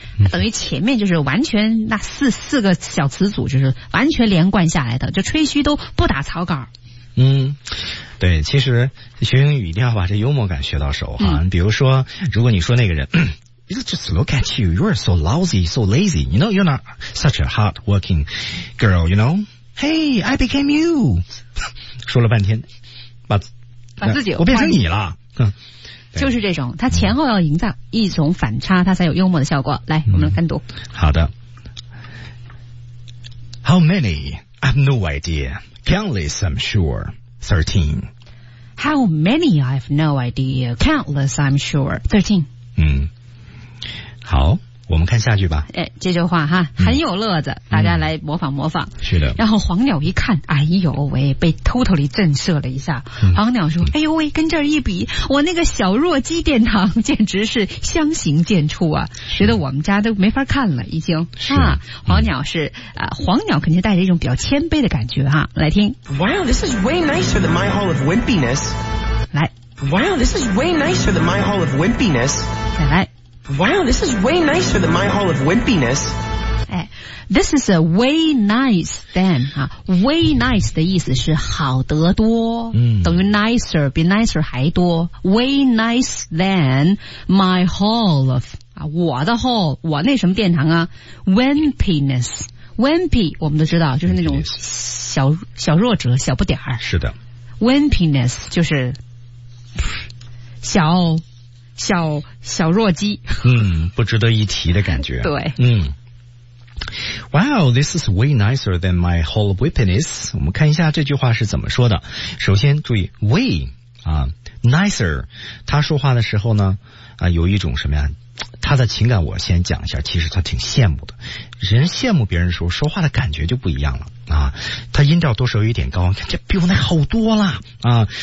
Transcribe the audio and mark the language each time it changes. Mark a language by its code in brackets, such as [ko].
[zh] 等于前面就是完全那四个小词组就是完全连贯下来的，就吹嘘都不打草稿。嗯，对，其实学英语一定要把这幽默感学到手哈。比如说，如果你说那个人。 [en] Just look at you. You're so lousy, so lazy. You know, you're not such a hard-working girl, you know? Hey, I became you. [zh] 说了半天，把自己我变成你了。嗯，就是这种，它前后要营造一种反差，它才有幽默的效果。来，我们来看读。好的。 [en] How many? I have no idea. Countless, I'm sure. 13. How many? I have no idea. Countless, I'm sure. 13. [zh] 嗯。好，我们看下句吧。哎，这句话哈很有乐子，大家来模仿模仿。是的。然后黄鸟一看，哎呦喂，被 totally 震慑了一下。黄鸟说，哎呦喂，跟这儿一比，我那个小弱鸡殿堂简直是相形见绌啊，觉得我们家都没法看了已经。是啊，黄鸟是啊，黄鸟肯定带着一种比较谦卑的感觉哈，来听。 [en] Wow, this is way nicer than my hall of wimpiness. [zh] 来。 [en] Wow, this is way nicer than my hall of wimpiness. [zh] 再来。 [en] Wow, this is way nicer than my hall of wimpiness. [zh] 哎 , [en] this is a way nice than, [zh] 啊 , [en] way nice [zh] 的意思是好得多等于 nicer, 比 nicer 还多 , [en] way nice than my hall of, [zh] 啊我的 hall, 我那什么殿堂啊 , [en] wimpiness, wimpy, [zh] 我们都知道就是那种小小弱者小不点儿。是的。 wimpiness, 就是小小小弱鸡，不值得一提的感觉。对， [en] Wow, this is way nicer than my hall of wimpiness. [zh] 我们看一下这句话是怎么说的。首先注意 way 啊 ，nicer， 他说话的时候呢，啊，有一种什么呀？他的情感我先讲一下，其实他挺羡慕的。人羡慕别人的时候，说话的感觉就不一样了啊。他音调多少有一点高，这比我那好多了啊。